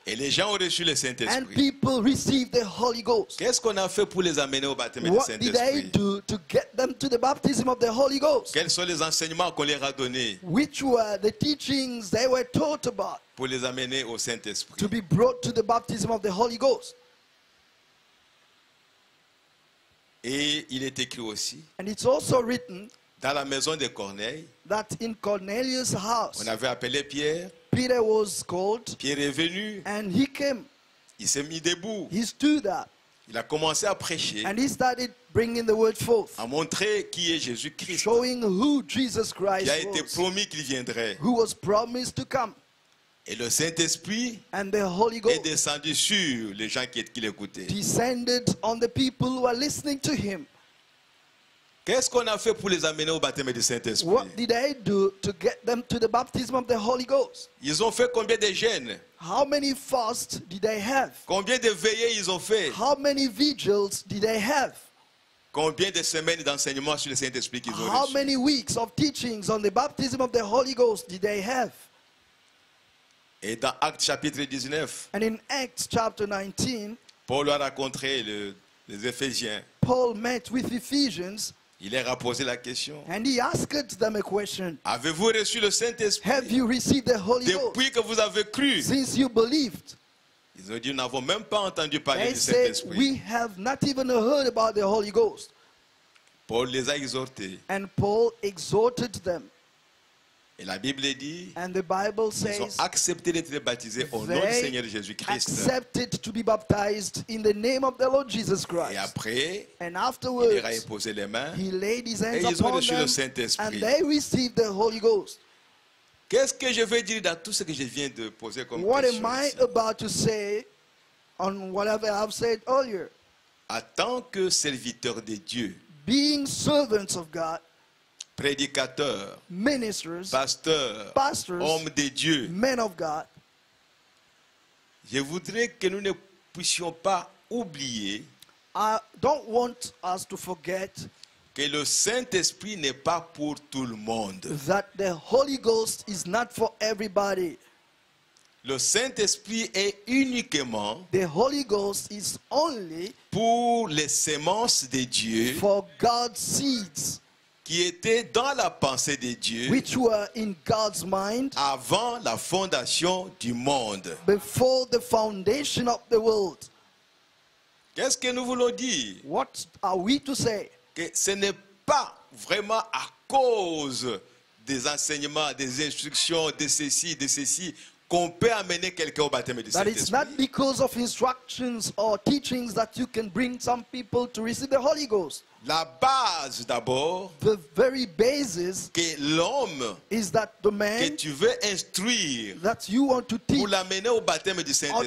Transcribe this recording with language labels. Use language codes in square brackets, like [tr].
[fr] Et les gens ont reçu le Saint-Esprit. [en] And people received the Holy Ghost. [fr] Qu'est-ce qu'on a fait pour les amener au baptême du Saint-Esprit? [en] What did they do to get them to the baptism of the Holy Ghost? [fr] Quels sont les enseignements qu'on leur a donnés? [en] Which were the teachings they were taught about? [fr] Pour les amener au Saint-Esprit. [en] To be brought to the baptism of the Holy Ghost. [fr] Et il est écrit aussi. [en] And it's also written. [fr] Dans la maison de Corneille, [en] that in Cornelius' house, [fr] on avait appelé Pierre. [en] Peter was called. [fr] Pierre est venu. [en] And he came. [fr] Il s'est mis debout. [en] He stood up. [fr] Il a commencé à prêcher. [en] And he started bringing the word forth. [fr] À montrer qui est Jésus-Christ. [en] Showing who Jesus Christ was. [fr] Qui a été promis qu'il viendrait. [en] Who was promised to come. [fr] Et le Saint-Esprit [en] and the Holy Ghost [fr] est descendu sur les gens qui l'écoutaient. [en] Descended on the people who were listening to him. [fr] Qu'est-ce qu'on a fait pour les amener au baptême du Saint-Esprit? [en] What did they do to get them to the baptism of the Holy Ghost? [fr] Ils ont fait combien de jeûnes? [en] How many fasts did they have? [fr] Combien de veillées ils ont fait? [en] How many vigils did they have? [fr] Combien de semaines d'enseignement sur le Saint-Esprit qu'ils ont [en] How many weeks of teachings on the baptism of the Holy Ghost did they have? [fr] Et dans Actes chapitre 19. [en] And in Acts chapter 19, [fr] Paul a rencontré les Éphésiens. [en] Paul met with Ephesians. [fr] Il leur a posé la question. [en] And he asked them a question. [fr] Avez-vous reçu le Saint-Esprit? [en] Have you received the Holy Ghost? [fr] Depuis que vous avez cru? [en] Since you believed. [fr] Ils ont dit, nous n'avons même pas entendu parler [en] they [fr] du Saint-Esprit. [en] Said, we have not even heard about the Holy Ghost. [fr] Paul les a exhortés. [en] And Paul exhorted them. [fr] Et la Bible dit. [en] And the Bible says. [fr] Ils ont accepté d'être baptisés au nom du Seigneur Jésus-Christ. [en] Accepted to be baptized in the name of the Lord Jesus Christ. [fr] Et après. [en] And afterwards. [fr] Il leur a imposé les mains. [en] He laid his hands [fr] et ils [en] upon [fr] ont reçu [en] them, [fr] le Saint-Esprit. [en] And they received the Holy Ghost. [fr] Qu'est-ce que je veux dire dans tout ce que je viens de poser comme [en] what [fr] question? [en] What am I about to say on whatever I've said earlier? [fr] En tant que serviteur de Dieu. [en] Being servants of God. [fr] Prédicateurs, [en] ministers, [fr] pasteurs, hommes de Dieu, [en] men of God, [fr] je voudrais que nous ne puissions pas oublier [en] I don't want us to forget [fr] que le Saint-Esprit n'est pas pour tout le monde. [en] That the Holy Ghost is not for everybody. [fr] Le Saint-Esprit est uniquement [en] the Holy Ghost is only [fr] pour les semences de Dieu. [en] For God's seeds. [fr] qui était dans la pensée de Dieu, [en] which were in God's mind, [fr] avant la fondation du monde. [en] Before the foundation of the world. [fr] Qu'est-ce que nous voulons dire? [en] What are we to say? [fr] Que ce n'est pas vraiment à cause des enseignements, des instructions, de ceci, qu'on peut amener quelqu'un au baptême du Saint-Esprit. [en] That it's not because of instructions or teachings that you can bring some people to receive the Holy Ghost. [fr] La base d'abord, [en] the very basis, [fr] que l'homme, [en] is that the man, [fr] que tu veux instruire, [en] that you want to teach, [fr] pour l'amener au baptême du Saint-Esprit,